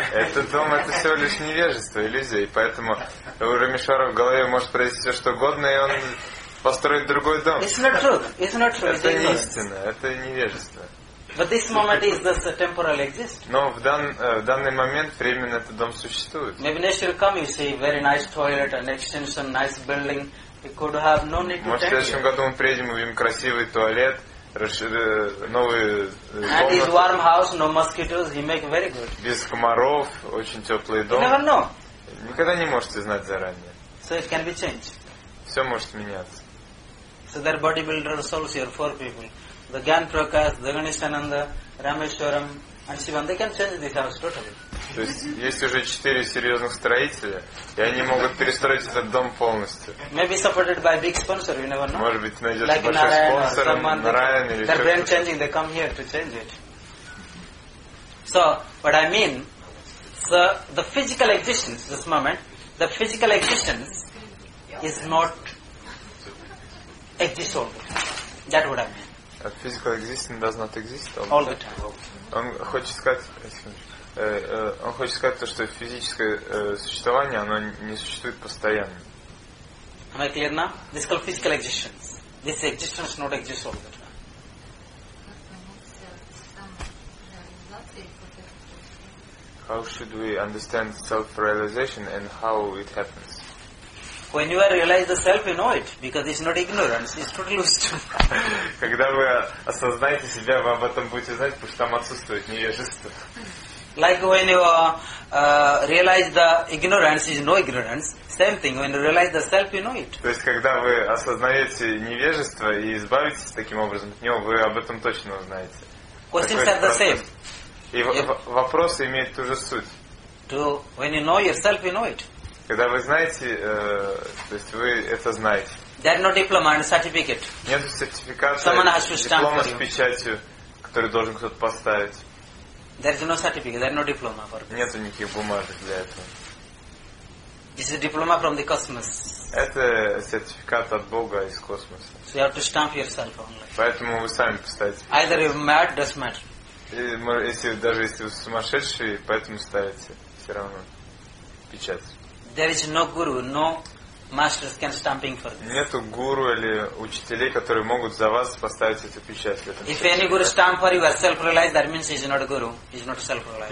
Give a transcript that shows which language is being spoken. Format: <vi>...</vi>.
<ru>Этот дом — это всего лишь невежество, иллюзия, и поэтому у Рамешара в голове может произойти все что угодно, и он построит другой дом.</ru> <en>It's not true. It's not true.</en> <ru>Это не истина. Это невежество.</ru> <en>But this moment is just a temporal existence.</en> <ru>Но в данный момент временно этот дом существует.</ru> <en>Maybe next year come, you see very nice toilet and extension, nice building. You could have no need to.</en> <ru>Может, в следующем году мы приедем, увидим красивый туалет, новый дом.</ru> <en>And his warm house, no mosquitoes. He make very good.</en> <ru>Без комаров, очень теплый дом.</ru> <en>You never know.</en> <ru>Никогда не можете знать заранее.</ru> <en>So it can be changed.</en> <ru>Все может меняться.</ru> <en>So there are bodybuilder souls here, four people. The Gyan Prakash, the Ganeshananda, Rameshwaram and Sivan. They can change this house totally.</en> <ru>То есть есть уже четыре серьезных строителя, и они могут перестроить этот дом полностью.</ru> <en>Maybe supported by big sponsor, you never know.</en> <ru>Может быть, найдется like большой спонсор, Нараян или что-то.</ru> <en>They're changing, they come here to change it. So, what I mean, so the physical existence, this moment, the physical existence is not exist all the time. That would I mean. A physical existence does not exist all the time.</en> <ru>Он хочет сказать, он хочет сказать то, что физическое существование, оно не существует постоянно.</ru> <en>Am I clear now? This is called physical existence. This existence does not exist all the time. How should we understand self-realization and how it happens? When you realize the self, you know it, because it's not ignorance, it's not lost.</en> <ru>Когда вы осознаете себя, вы об этом будете знать, потому что там отсутствует невежество.</ru> <en>Like when you realize the ignorance is no ignorance, same thing, when you realize the self, you know it.</en> <ru>То есть, когда вы осознаете невежество и избавитесь таким образом от него, вы об этом точно узнаете.</ru> <en>Questions are the same.</en> <ru>И вопросы имеют ту же суть.</ru> <en>To, when you know yourself, you know it.</en> <ru>Когда вы знаете, то есть вы это знаете.</ru> <en>There is no diploma and certificate.</en> <ru>Нет сертификата, диплома с печатью, который должен кто-то поставить.</ru> <en>There is no certificate, there is no diploma for this.</en> <ru>Нету никаких бумажек для этого.</ru> <en>This is a diploma from the cosmos.</en> <ru>Это сертификат от Бога из космоса.</ru> <en>So you have to stamp yourself only.</en> <ru>Поэтому вы сами поставите.</ru> <en>Either you're mad, does matter.</en> <ru>Если вы сумасшедший, поэтому ставите все равно печать.</ru> <en>There is no guru, no masters can stamping for this.</en> <ru>Нету гуру или учителей, которые могут за вас поставить эту печать.</ru> <en>If any guru stamp for you are self-realized, that means he's not a guru, he's not self-realized.</en>